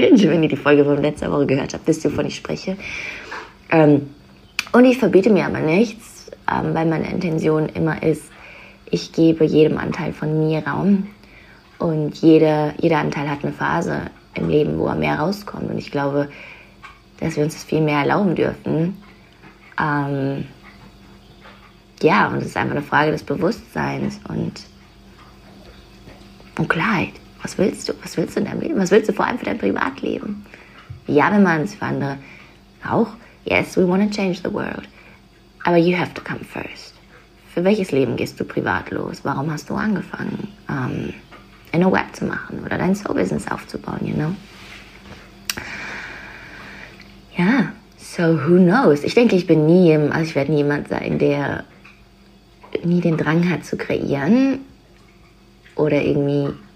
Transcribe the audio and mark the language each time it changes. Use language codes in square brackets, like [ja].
[de] Wenn ihr die Folge von letzter Woche gehört habt, wisst ihr, wovon ich spreche. Und ich verbiete mir aber nichts, weil meine Intention immer ist, ich gebe jedem Anteil von mir Raum und jeder Anteil hat eine Phase im Leben, wo er mehr rauskommt und ich glaube, dass wir uns das viel mehr erlauben dürfen. Ja, und es ist einfach eine Frage des Bewusstseins und Klarheit. Was willst du? Was willst du in deinem Leben? Was willst du vor allem für dein Privatleben? Ja, wenn man es für andere auch. [en] Yes, we want to change the world. [de] Aber [en] you have to come first. [de] Für welches Leben gehst du privat los? Warum hast du angefangen, eine Web zu machen oder dein Soul-Business aufzubauen, [en] you know? [de] Ja, [en] so who knows? [de] Ich denke, ich werde nie jemand sein, der nie den Drang hat zu kreieren oder irgendwie